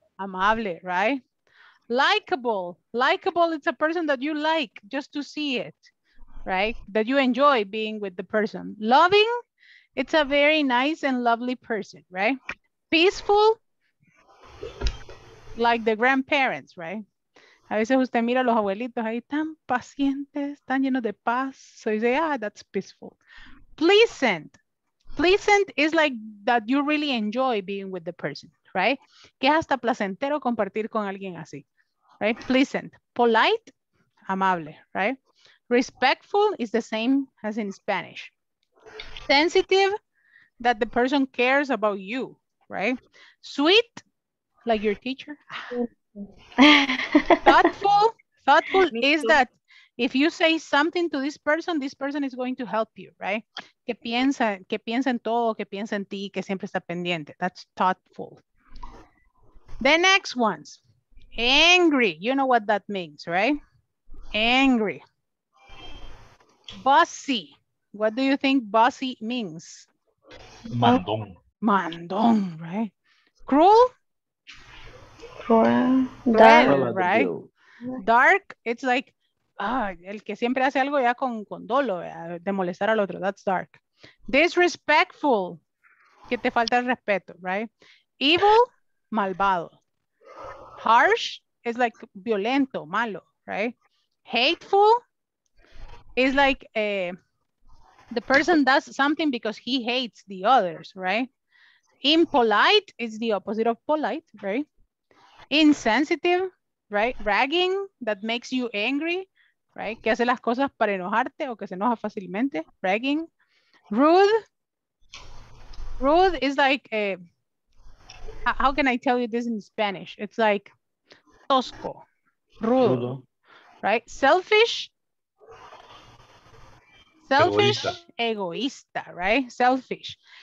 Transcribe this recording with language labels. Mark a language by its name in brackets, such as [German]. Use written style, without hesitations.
[English] Amable, right? Likeable, likeable, it's a person that you like just to see it, right? That you enjoy being with the person. Loving, it's a very nice and lovely person, right? Peaceful, like the grandparents, right? [Spanish] A veces usted mira a los abuelitos ahí tan pacientes, tan llenos de paz. [English] So you say, ah, that's peaceful. Pleasant. Pleasant is like that you really enjoy being with the person, right? [Spanish] Que es hasta placentero compartir con alguien así, right? [English] Pleasant. Polite, amable, right? Respectful is the same as in Spanish. Sensitive, that the person cares about you, right? Sweet, like your teacher. Thoughtful, thoughtful is that if you say something to this person is going to help you, right? [Spanish] Que piensa en todo, que piensa en ti, que siempre está pendiente. [English] That's thoughtful. The next ones, angry. You know what that means, right? Angry. Bossy. What do you think bossy means? [Spanish] Mandón. [English] Mandón, right? Cruel. Dark, right? Dark, it's like [Spanish] el que siempre hace algo ya con dolo, de molestar al otro, [English] that's dark. [Spanish] Disrespectful, que te falta el respeto, right? [English] Evil, malvado. Harsh, it's like [Spanish] violento, malo, [English] right? Hateful, is like the person does something because he hates the others, right? Impolite is the opposite of polite, right? Insensitive, right? Ragging, that makes you angry, right? [Spanish] Que hace las cosas para enojarte o que se enoja fácilmente, ragging. [English] Rude, rude is like, how can I tell you this in Spanish? It's like tosco, rude, rudo. Right? Selfish, selfish, egoísta, right? Selfish.